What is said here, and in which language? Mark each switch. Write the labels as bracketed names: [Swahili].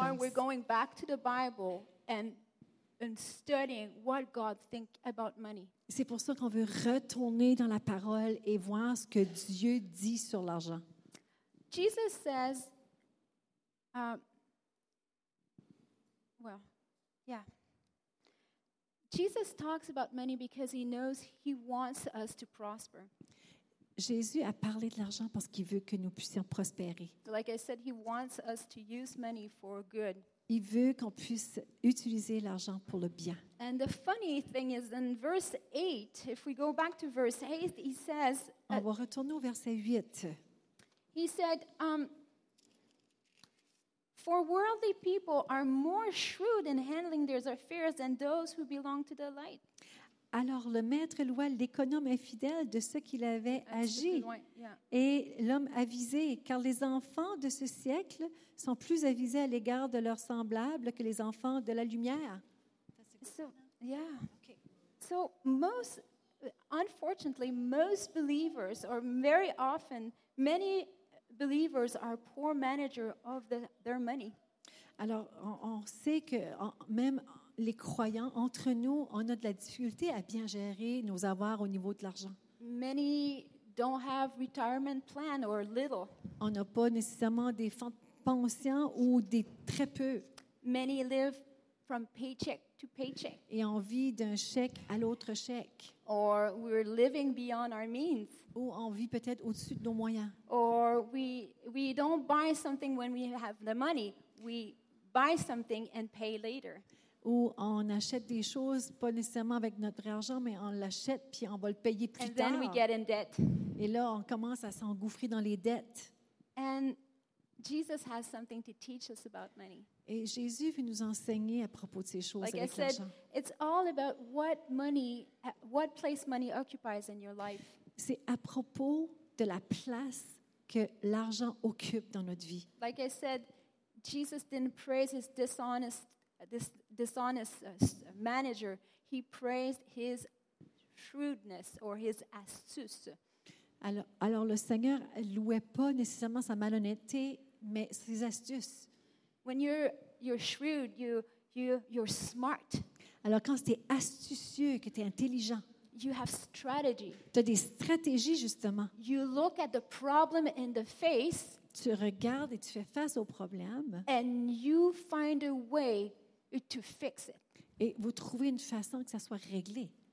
[English] That's why we're going back to the Bible and studying what God thinks about money. [French] C'est pour ça qu'on veut retourner dans la parole et voir ce que Dieu dit sur l'argent. [English] Jesus says... Yeah. Jesus talks about money because he knows he wants us to prosper. [French] Jésus a parlé de l'argent parce qu'il veut que nous puissions prospérer. [English] Like I said, he wants us to use money for good. [French] Il veut qu'on puisse utiliser l'argent pour le bien. [English] And the funny thing is in verse 8, if we go back to verse 8, he says [French] on va retourner au verset 8. [English] He said for worldly people are more shrewd in handling their affairs than those who belong to the light. [French] Alors le maître loua l'économe infidèle de ce qu'il avait agi. Et l'homme avisé, car les enfants de ce siècle sont plus avisés à l'égard de leurs semblables que les enfants de la lumière. [English] So, yeah. Okay. So most, unfortunately, most believers or very often many believers are poor managers of their money. [French] Alors, on sait que même les croyants, entre nous, on a de la difficulté à bien gérer nos avoirs au niveau de l'argent. [English] Many don't have retirement plan or little. [French] On n'a pas nécessairement des fonds de pension ou des très peu. [English] Many live from paycheck to paycheck. [French] Et on vit d'un chèque à l'autre chèque. [English] Or we're living beyond our means. [French] Ou on vit peut-être au-dessus de nos moyens. [English] Or we don't buy something when we have the money. We buy something and pay later. [French] Ou on achète des choses pas nécessairement avec notre argent, mais on l'achète puis on va le payer plus [English] and [French] tard. [English] And then we get in debt. [French] Et là, on commence à s'engouffrer dans les dettes. [English] And Jesus has something to teach us about money. [French] Et Jésus veut nous enseigner à propos de ces choses [English] like [French] avec [English] I said, [French] l'argent. [English] It's all about what place money occupies in your life. [French] C'est à propos de la place que l'argent occupe dans notre vie. [English] Like I said, Jesus didn't praise his dishonest manager. He praised his shrewdness or his astuce. [French] Alors le Seigneur louait pas nécessairement sa malhonnêteté, mais ses astuces. [English] When you're shrewd, you're smart. [French] Alors quand c'est astucieux, que t'es intelligent. [English] You have strategy. [French] T'as des stratégies justement. [English] You look at the problem in the face. [French] Tu regardes et tu fais face au problème. [English] And you find a way to fix it. [French] Et vous trouvez une façon que ça soit réglé.